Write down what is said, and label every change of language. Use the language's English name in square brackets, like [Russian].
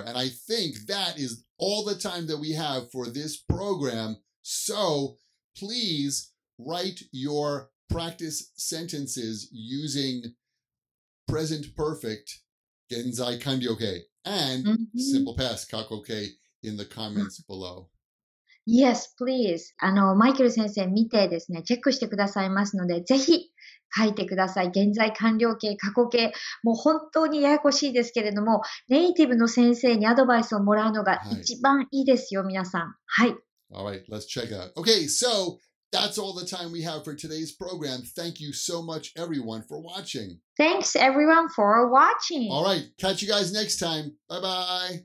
[English] And I think that is all the time that we have for this program. So please write your practice sentences using present perfect, 現在完了形, and simple past, 過去形, in the comments below. Yes, please. [Japanese] マイケル先生見てですね、チェックしてくださいますので、ぜひ書いてください。現在完了形、過去形。もう本当にややこしいですけれども、ネイティブの先生にアドバイスをもらうのが一番いいですよ、はい、皆さん。はい。 [English] Alright, let's check out. Okay, so that's all the time we have for today's program. Thank you so much, everyone, for watching. Thanks, everyone, for watching. Alright, catch you guys next time. Bye-bye.